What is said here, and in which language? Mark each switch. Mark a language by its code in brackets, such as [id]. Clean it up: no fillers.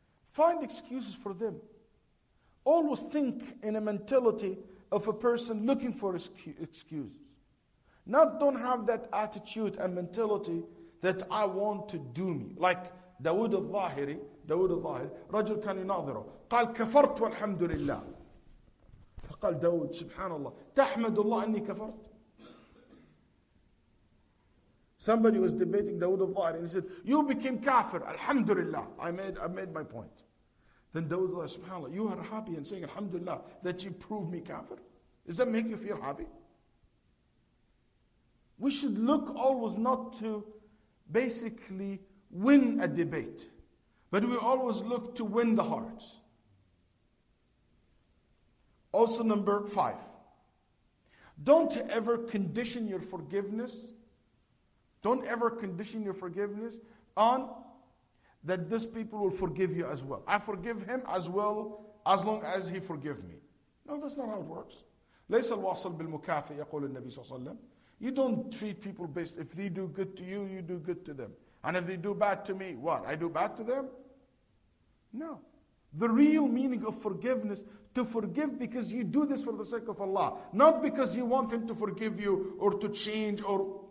[en] Find excuses for them. Always think in a mentality of a person looking for excuses. Not don't have that attitude and mentality that I want to do me. Like [ar] Dawood al-Zahiri, رجل كان يناظره. قال كفرت والحمد لله. فقال داود سبحان الله تحمد الله أني كفرت. [en] Somebody was debating Dawood al-Zahiri and he said, you became kafir, alhamdulillah. I made my point. Then Dawood al-Zahiri, subhanAllah, you are happy and saying, alhamdulillah, that you proved me kafir. Does that make you feel happy? We should look always not to basically win a debate, but we always look to win the heart. Also number five. Don't ever condition your forgiveness. Don't ever condition your forgiveness on that this people will forgive you as well. I forgive him as well as long as he forgive me. No, that's not how it works. [ar] ليس الواصل بالمكافئ يقول النبي صلى الله عليه وسلم. [en] You don't treat people based, if they do good to you, you do good to them. And if they do bad to me, what? I do bad to them? No. The real meaning of forgiveness, to forgive because you do this for the sake of Allah. Not because you want him to forgive you or to change or...